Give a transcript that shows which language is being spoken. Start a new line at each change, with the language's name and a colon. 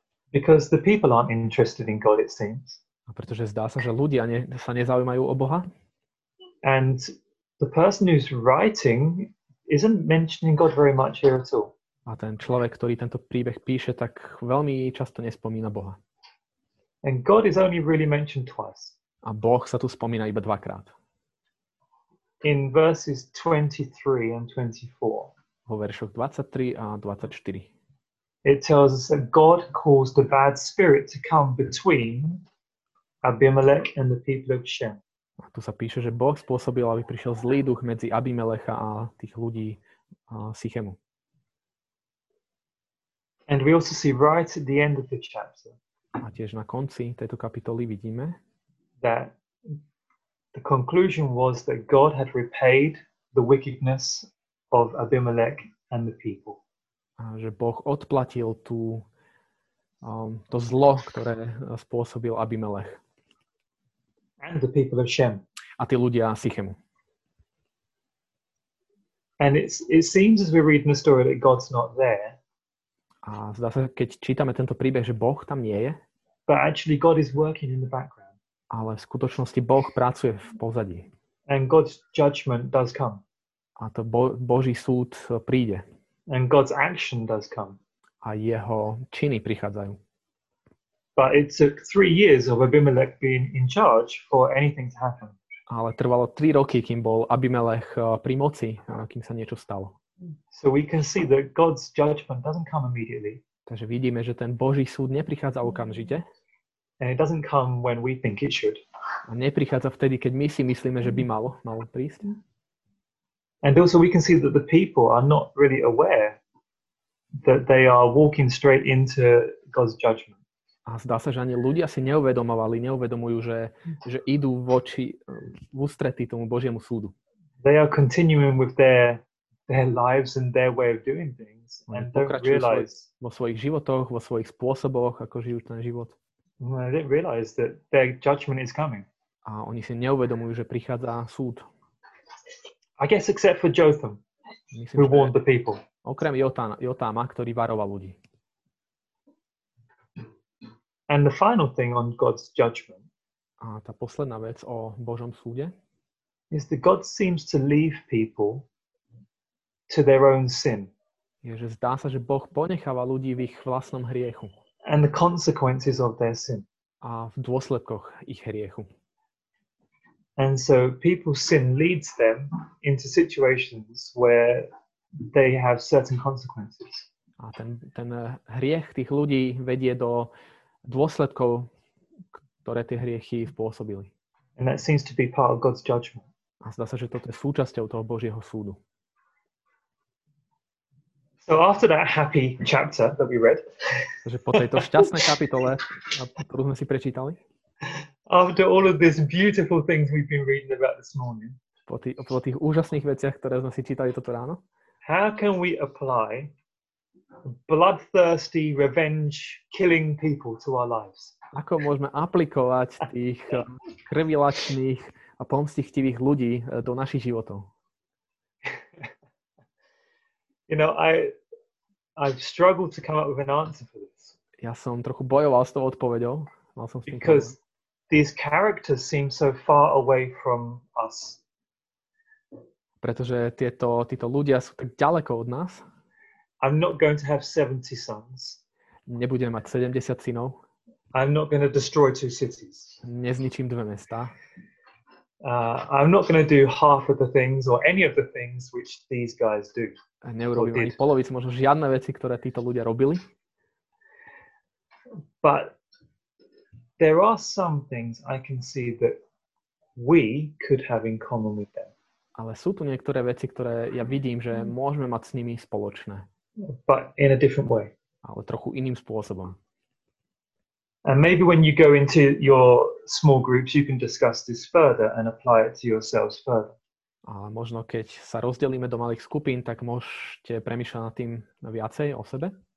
English: Because the people aren't interested in God, it seems.
Slovak: A pretože zdá sa, že ľudia sa nezaujímajú o Boha.
English: And the person who's writing isn't mentioning God very much here at all.
Slovak: A ten človek, ktorý tento príbeh píše, tak veľmi často nespomína Boha.
English: And God is only really mentioned twice.
Slovak: A Boh sa tu spomína iba dvakrát.
English: In verses 23 and 24.
Slovak: Vo veršoch 23 a 24.
English: It tells us that God caused a bad spirit to come between Abimelech and the people of Shem.
Slovak: A tu sa píše, že Boh spôsobil, aby prišiel zlý duch medzi Abimelecha a tých ľudí Sichemu.
English: And we also see right at the end of the chapter.
Slovak: A tiež na konci tejto kapitoly vidíme,
English: that the conclusion was that God had repaid the wickedness of Abimelech and the people.
Slovak: A že Boh odplatil tú to zlo, ktoré spôsobil Abimelech.
English: And the people of Shem.
Slovak: A tí ľudia Sichemu.
English: And it seems as we read in the story that God's not there.
Slovak: A zdá sa, keď čítame tento príbeh, že Boh tam nie je.
English: But actually God is working in the background.
Slovak: Ale v skutočnosti Boh pracuje v pozadí.
English: And God's judgment does come.
Slovak: A to Boží súd príde.
English: And God's action does come.
Slovak: A jeho činy prichádzajú.
English: But it took 3 years of Abimelech being in charge for anything to happen.
Slovak: Ale trvalo 3 roky, kým bol Abimelech pri moci, kým sa niečo stalo.
English: So we can see that God's judgment doesn't come immediately.
Slovak: Takže vidíme, že ten Boží súd neprichádza okamžite.
English: And it doesn't come when we think it should.
Slovak: A neprichádza vtedy, keď my si myslíme, že by malo prísť.
English: And also we can see that the people are not really aware that they are walking straight into God's judgment.
Slovak: A zdá sa, že ani ľudia si neuvedomujú, že idú voči v ústretí tomu Božiemu súdu.
English: They are continuing with their lives and their way of doing things and don't realize
Slovak: vo svojich životoch, vo svojich spôsoboch, ako žijú ten život.
English: They don't realize that their judgment is coming.
Slovak: A oni si neuvedomujú, že prichádza súd.
English: I guess except for Jotham, who warned the people.
Slovak: Okrem Jotáma, ktorý varoval ľudí.
English: And the final thing on God's judgment.
Slovak: A tá posledná vec o Božom súde.
English: Is that God seems to leave people to their own sin.
Slovak: Je, že zdá sa, že Boh ponecháva ľudí v ich vlastnom hriechu.
English: And the consequences of their sin.
Slovak: A v dôsledkoch ich hriechu.
English: And so people's sin leads them into situations where they have certain consequences.
Slovak: A ten hriech tých ľudí vedie do dôsledkov, ktoré tie hriechy spôsobili.
English: And that seems to be part of God's judgment.
Slovak: A zdá sa, že toto je súčasťou toho Božieho súdu.
English: So after that happy chapter that we read.
Slovak: Takže po tejto šťastnej kapitole, ktorú sme si prečítali.
English: After all of these beautiful things we've been reading about this morning.
Slovak: Po tých úžasných veciach, ktoré sme si čítali toto ráno.
English: How can we apply bloodthirsty revenge killing people to our lives?
Slovak: Ako môžeme aplikovať tých krvilačných a pomstichtivých ľudí do našich životov?
English: You know, I've struggled to come up with an answer for this.
Slovak: Ja som trochu bojoval s tou odpoveďou. Mal som s tým
English: Because these characters seem so far away from us.
Slovak: Pretože títo ľudia sú tak ďaleko od nás.
English: I'm not going to have 70 sons.
Slovak: Nebudem mať 70 synov.
English: I'm not going to destroy two cities.
Slovak: Nezničím dve mestá.
English: I'm not going to do half of the things or any of the things which these guys do.
Slovak: A neurobím ani polovicu, možno žiadne veci, ktoré títo ľudia robili.
English: But there are some things I can see that we could have in common with them.
Slovak: Ale sú tu niektoré veci, ktoré ja vidím, že môžeme mať s nimi spoločné.
English: But in a different way.
Slovak: Ale trochu iným spôsobom.
English: And maybe when you go into your small groups, you can discuss this further and apply it to yourselves further.
Slovak: A možno keď sa rozdelíme do malých skupín, tak môžete premýšľať nad tým viacej o sebe.